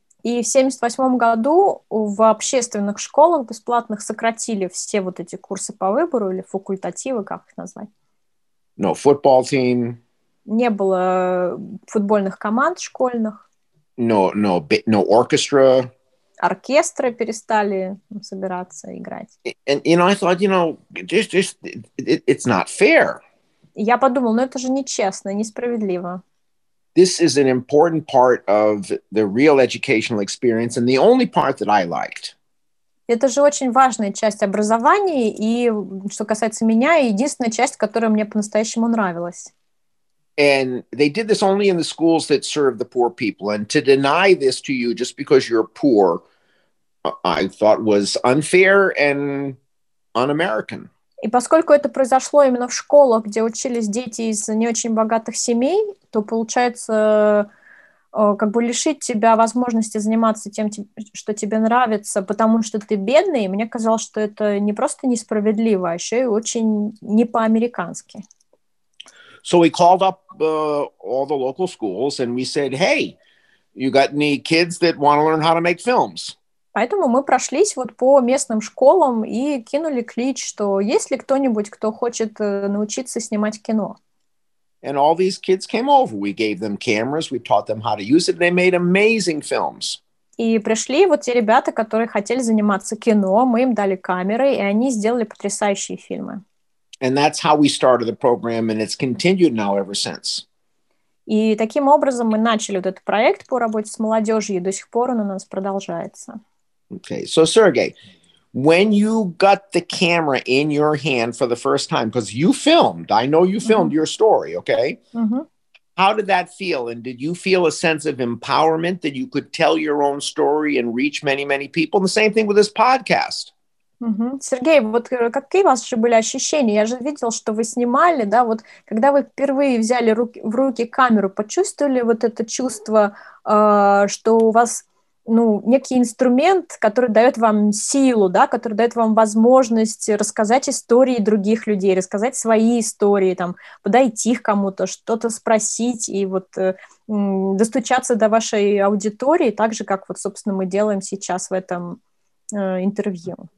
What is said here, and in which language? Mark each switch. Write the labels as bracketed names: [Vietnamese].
[Russian] И в 78-м году в общественных школах бесплатных сократили все вот эти курсы по выбору или факультативы, как их назвать. [English] No football team. [Russian] Не было футбольных команд школьных. [English] No orchestra. [Russian] Оркестры перестали собираться играть. [English] And I thought, you know, it's not fair. [Russian] Я подумал, ну это же нечестно, несправедливо. [English] This is an important part of the real educational experience and the only part that I liked. [Russian] Это же очень важная часть образования, и что касается меня, единственная часть, которая мне по-настоящему нравилась. [English] And they did this only in the schools that serve the poor people. And to deny this to you just because you're poor, I thought was unfair and un-American. [Russian] И поскольку это произошло именно в школах, где учились дети из не очень богатых семей, то получается, как бы лишить тебя возможности заниматься тем, что тебе нравится, потому что ты бедный, мне казалось, что это не просто несправедливо, а еще и очень не по-американски. [English] So we called up all the local schools and we said, hey, you got any kids that want to learn how to make films? [Russian] Поэтому мы прошлись вот по местным школам и кинули клич, что есть ли кто-нибудь, кто хочет научиться снимать кино. [English] And all these kids came over. We gave them cameras, we taught them how to use it, and they made amazing films. [Russian] И пришли вот те ребята, которые хотели заниматься кино, мы им дали камеры, и они сделали потрясающие фильмы. [English] And that's how we started the program, and it's continued now ever since. [Russian] И таким образом мы начали вот этот проект по работе с молодежью, и до сих пор он у нас продолжается. [English] Okay, so Sergey, when you got the camera in your hand for the first time, because you filmed, I know you filmed mm-hmm. your story, okay? Mm-hmm. How did that feel? And did you feel a sense of empowerment that you could tell your own story and reach many, many people? And the same thing with this podcast. Mm-hmm. [Russian] Сергей, вот какие у вас же были ощущения? Я же видел, что вы снимали, да, вот когда вы впервые взяли в руки камеру, почувствовали вот это чувство, что у вас, ну, некий инструмент, который дает вам силу, да, который дает вам возможность рассказать истории других людей, рассказать свои истории, там, подойти к кому-то, что-то спросить и вот достучаться до вашей аудитории, так же, как вот, собственно, мы делаем сейчас в этом интервью.